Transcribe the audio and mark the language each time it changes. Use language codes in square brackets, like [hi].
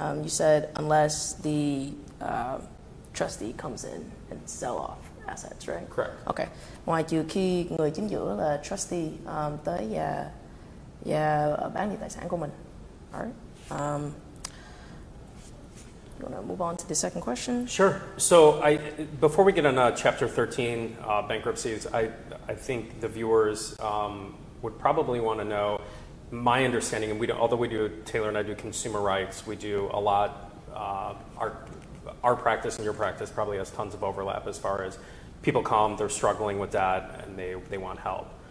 [en] You said, unless the trustee comes in and sell off assets, right? Correct. Okay. [vi] Ngoài trừ khi người chiếm giữ là trustee tới và bán đi tài sản của mình. [en] All right. You want to move on to the second question? Sure. So before we get on Chapter 13 bankruptcies, I think the viewers would probably want to know my understanding, and although we do, Taylor and I do consumer rights, we do a lot, our practice and your practice probably has tons of overlap as far as people come, they're struggling with that, and they want help.